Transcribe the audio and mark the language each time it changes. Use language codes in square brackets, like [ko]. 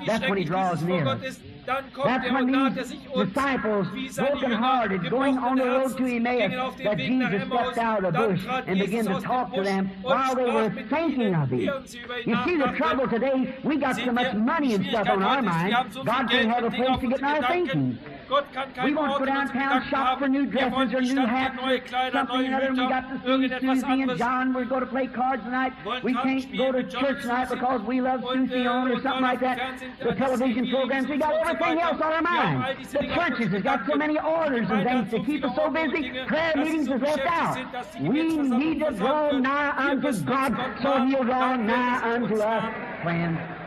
[en] That's when he draws near. That's when these disciples, brokenhearted, going on the road to Emmaus, that Jesus stepped out of the bush and began to talk to them while they were thinking of him. You see the trouble today, we got so much money and stuff on our mind. God can't have a place to get our thinking. [de] Gott kann kein Ort für unsere Gedanken haben. Wir wollen die Stadt für neue Kleider, neue Hüter, irgendetwas anderes. [en] John, we're going to play cards tonight. We can't go to church tonight because we love Susie Orne or something like that. The television programs, we got everything else on our mind. The churches have got so many orders and things to keep us so busy. Prayer meetings are left out. We need to draw nigh unto God, so He'll draw nigh unto us, friends.